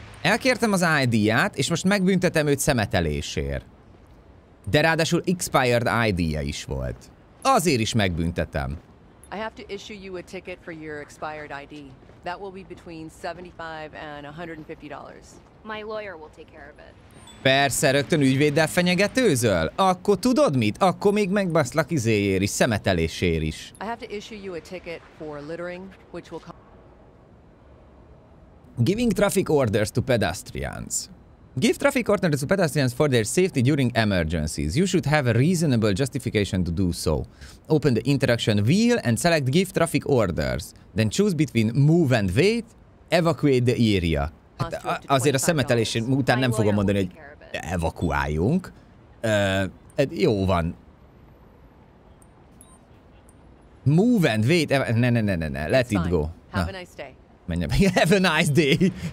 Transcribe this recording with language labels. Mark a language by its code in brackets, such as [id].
[hu] Elkértem az ID-ját, és most megbüntetem őt szemetelésért. De ráadásul expired ID-ja is volt. Azért is megbüntetem. [en] I have to issue you a ticket for your expired ID. That will be between $75 and $150. My lawyer will take care of it. [hu] Persze, rögtön ügyvéddel fenyegetőzöl? Akkor tudod mit? Akkor még megbaszlak izéért is, szemetelésért is. [en] I have to issue you a ticket for littering, which will come... Giving traffic orders to pedestrians. Give traffic orders to pedestrians for their safety during emergencies. You should have a reasonable justification to do so. Open the interaction wheel and select give traffic orders. Then choose between move and wait. Evacuate the area. [hu] Hát azért a szemetelés után nem fogom mondani, hogy evakuáljunk. Jó van. [en] Move and wait. [hu] Ne. [en] Let it go. Na. Have a nice day!